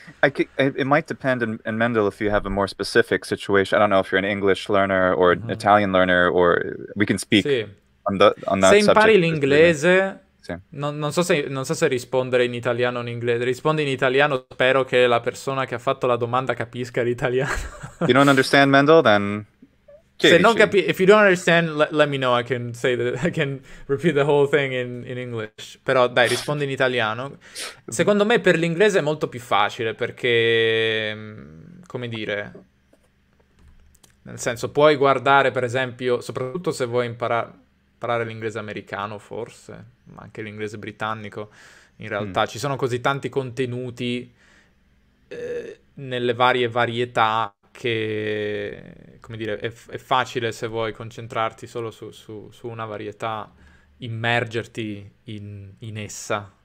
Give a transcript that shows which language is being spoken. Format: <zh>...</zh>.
<en>It might depend in Mendel if you have a more specific situation. I don't know if you're an English learner or an Italian learner or we can speak on that</en> <it>se impari l'inglese. Non so se rispondere in italiano o in inglese. Rispondi in italiano, spero che la persona che ha fatto la domanda capisca l'italiano.</it> <en>You don't understand Mendel, then</en> <it>se non capi,</it> <en>if you don't understand, let me know. I can repeat the whole thing in English.</en> <it>Però dai, rispondi in italiano. Secondo me per l'inglese è molto più facile perché, come dire, nel senso puoi guardare, per esempio, soprattutto se vuoi imparare l'inglese americano forse, ma anche l'inglese britannico, in realtà ci sono così tanti contenuti nelle varie varietà che, come dire, è facile se vuoi concentrarti solo su una varietà, immergerti in essa.</it>